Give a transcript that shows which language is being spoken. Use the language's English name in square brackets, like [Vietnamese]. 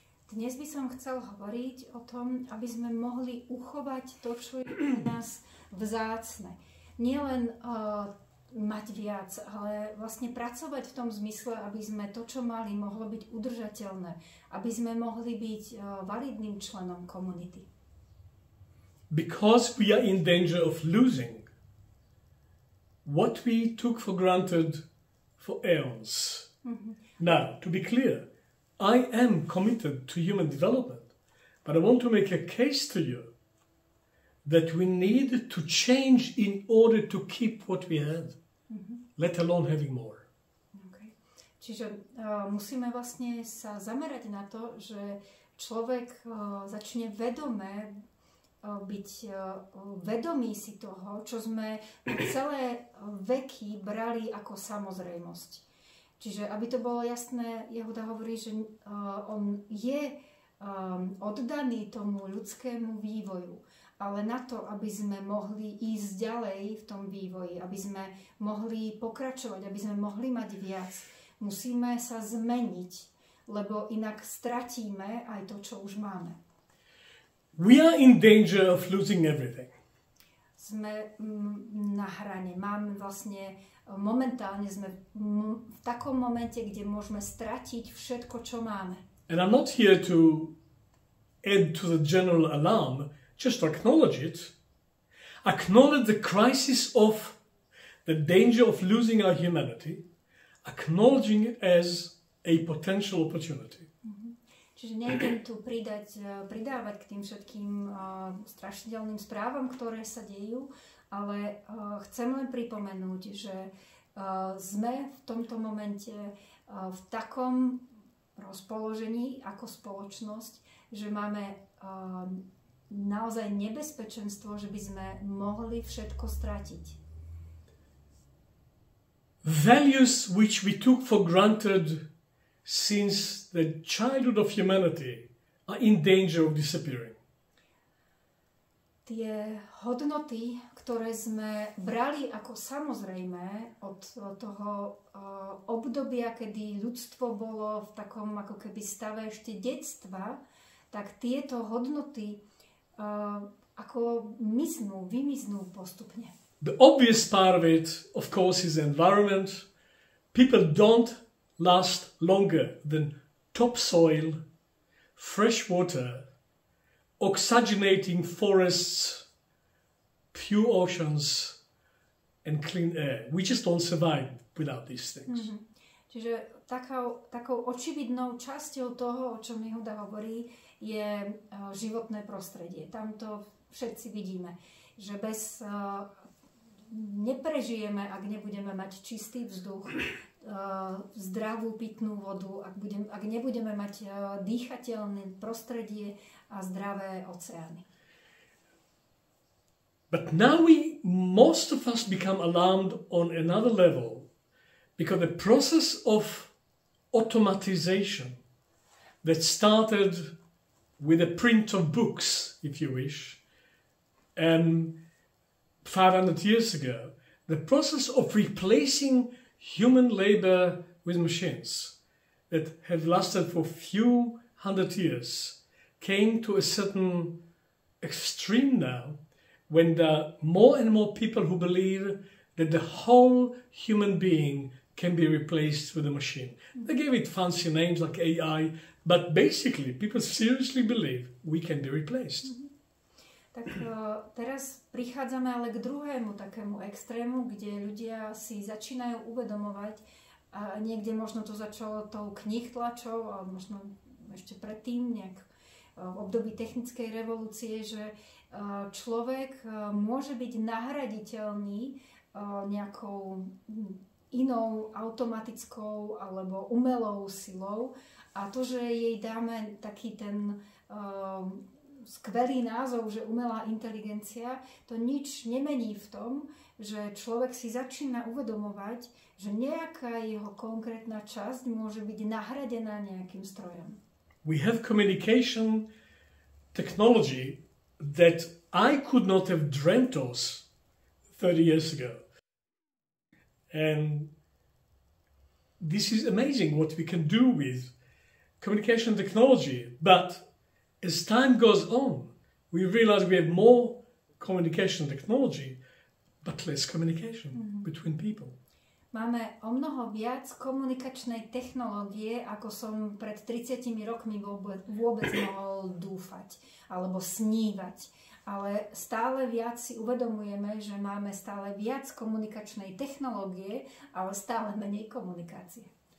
[Slovak] Dnes by som chcel hovoriť o tom, aby sme mohli uchovať to, čo je u nás vzácne. Nielen mať viac, ale vlastne pracovať v tom zmysle, aby sme to, čo mali, mohlo byť udržateľné. Aby sme mohli byť validným členom komunity. [English] Because we are in danger of losing what we took for granted for eons. Now, to be clear, I am committed to human development, but I want to make a case to you that we need to change in order to keep what we had, mm-hmm. let alone having more. Okay. [Slovak] Čiže musíme vlastne sa zamerať na to, že človek začne vedome byť vedomý si toho, čo sme celé veky brali ako samozrejmosť. Čiže, aby to bolo jasné, Jehuda hovorí, že on je oddaný tomu ľudskému vývoju, ale na to, aby sme mohli ísť ďalej v tom vývoji, aby sme mohli pokračovať, aby sme mohli mať viac, musíme sa zmeniť, lebo inak stratíme aj to, čo už máme. [English] We are in danger of losing everything. [Slovak] Sme na hrane. Máme vlastne momentálne sme v takom momente, kde môžeme stratiť všetko, čo máme. [English] And I'm not here to add to the general alarm, just acknowledge it. Acknowledge the crisis of the danger of losing our humanity, acknowledging it as a potential opportunity. [Slovak] Čiže nejdem tu pridávať k tým všetkým strašidelným správam, ktoré sa dejú, ale chcem len pripomenúť, že sme v tomto momente v takom rozpoložení ako spoločnosť, že máme naozaj nebezpečenstvo, že by sme mohli všetko stratiť. [English] Values which we took for granted since the childhood of humanity are in danger of disappearing. [Slovak] Tie hodnoty, ktoré sme brali ako samozrejmé od toho obdobia, kedy ľudstvo bolo v takom ako keby stave ešte detstva, tak tieto hodnoty ako miznú, vymiznú postupne. [English] The obvious part of it, of course, is the environment. People don't last longer than topsoil, fresh water, oxygenating forests, pure oceans and clean air. We just don't survive without these things. Mm-hmm. [Slovak] Čiže takou očividnou časťou toho, o čom Jehuda hovorí, je životné prostredie. Tam to všetci vidíme, že bez neprežijeme, ak nebudeme mať čistý vzduch, zdravú pitnú vodu, ak nebudeme mať dýchateľné prostredie a zdravé oceány. [English] But now we, most of us become alarmed on another level because the process of automatization that started with a print of books, if you wish, 500 years ago, the process of replacing human labor with machines that have lasted for a few hundred years came to a certain extreme now when there are more and more people who believe that the whole human being can be replaced with a machine. They gave it fancy names like AI, but basically people seriously believe we can be replaced. [Slovak] Tak teraz prichádzame ale k druhému takému extrému, kde ľudia si začínajú uvedomovať a niekde možno to začalo tou knihtlačou a možno ešte predtým nejak v období technickej revolúcie, že človek môže byť nahraditeľný nejakou inou automatickou alebo umelou silou a to, že jej dáme taký ten skvelý názov, že umelá inteligencia, to nič nemení v tom, že človek si začína uvedomovať, že nejaká jeho konkrétna časť môže byť nahradená nejakým strojom. [English] We have communication technology that I could not have dreamt of 30 years ago. And this is amazing what we can do with communication technology, but as time goes on, we realize we have more communication technology, but less communication between people. [Slovak] Máme o mnoho viac komunikačnej technológie, ako som pred 30 rokmi vôbec mohol dúfať alebo snívať. Ale stále viac si uvedomujeme, že máme stále viac komunikačnej technológie, ale stále menej komunikácie.